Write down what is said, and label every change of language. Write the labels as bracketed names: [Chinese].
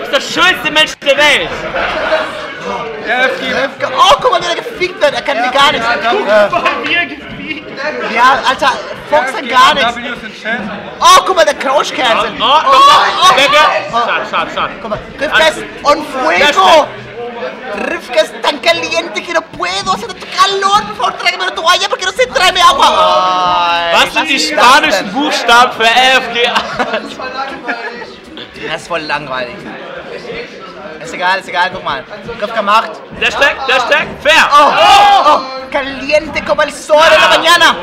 [German] du bist der schönste Mensch der Welt. Rivka. Oh, guck mal, wie er gefickt wird. Er kann mir gar nichts. Guck mal, wie er gefickt. Ja, Alter, Fox kann gar nichts. Chat. Oh, guck mal, der Crouch Cancel. Oh, oh, oh, oh, oh, oh, oh, oh. Schade. Guck mal, [Spanish] Rifkes on fuego. Rifkes tan caliente que no puedo. Hace tanto calor. Por favor, tráeme una toalla porque no sé, tráeme agua. Oh, [German] was sind die spanischen Buchstaben für AFG? Das ist voll langweilig. Ist egal, guck mal. Kopf gemacht. Dashtag, fair. [Spanish] Oh, oh, oh, caliente como el sol en la mañana.